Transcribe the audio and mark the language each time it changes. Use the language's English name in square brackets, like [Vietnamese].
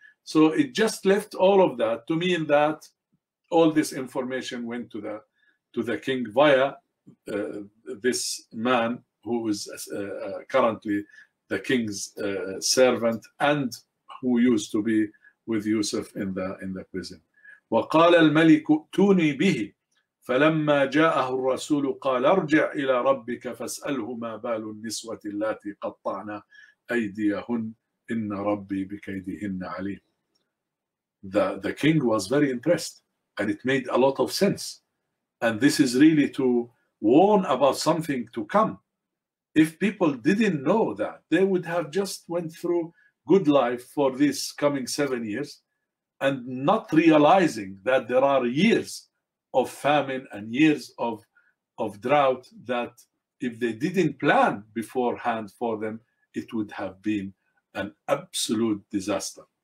[English] So it just left all of that to mean that all this information went to the king via this man who is currently the king's servant and who used to be with Yusuf in the prison. [Arabic] وقال الملك ائتوني به فلما جاءه الرسول قال ارجع إلى ربك فاسأله ما بال النسوة التي قطعنا أيديهن إن ربي بكيدهن عليم. [English] The king was very impressed and it made a lot of sense. And this is really to warn about something to come. If people didn't know that, they would have just went through good life for these coming 7 years and not realizing that there are years of famine and years of drought that if they didn't plan beforehand for them, it would have been an absolute disaster.